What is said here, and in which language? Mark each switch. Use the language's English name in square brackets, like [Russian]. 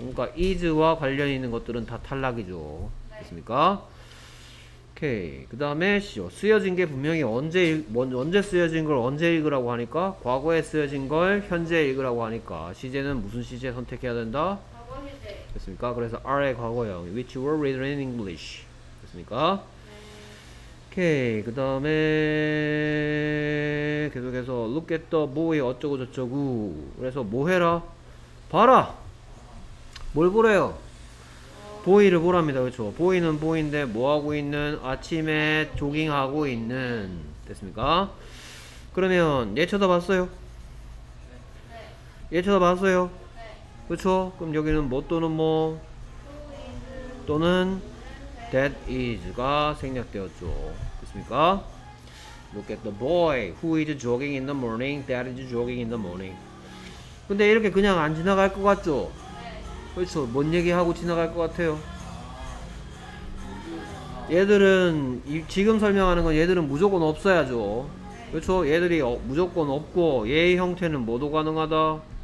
[Korean] 그러니까 is와 관련 있는 것들은 다 탈락이죠. 됐습니까? 오케이. 그 다음에 쓰여진 게 분명히 언제 쓰여진 걸 언제 읽으라고 하니까 과거에 쓰여진 걸 현재 읽으라고 하니까 시제는 무슨 시제 선택해야 된다? 과거 시제. 됐습니까? 그래서 are의 과거형 [English] which were written in English. [Korean] 됐습니까? 네. 오케이. 그 다음에 계속해서 [English] look at the boy [Korean] 어쩌고 저쩌고. 그래서 뭐 해라? 봐라! 뭘 보래요? 보이를 보랍니다. 그렇죠. 보이는 보이인데 뭐하고 있는? 아침에 조깅하고 있는. 됐습니까? 그러면 얘 쳐다봤어요? 네. 얘 쳐다봤어요? 네. 그렇죠? 그럼 여기는 뭐 또는 뭐? 또는 that is가 생략되었죠. 됐습니까? [English] Look at the boy who is jogging in the morning. That is jogging in the morning. [Korean] 근데 이렇게 그냥 안 지나갈 것 같죠? 그렇죠. 뭔 얘기하고 지나갈 것 같아요? 얘들은 지금 설명하는 건 얘들은 무조건 없어야죠. 그렇죠. 얘들이 무조건 없고 얘의 형태는 뭐도 가능하다?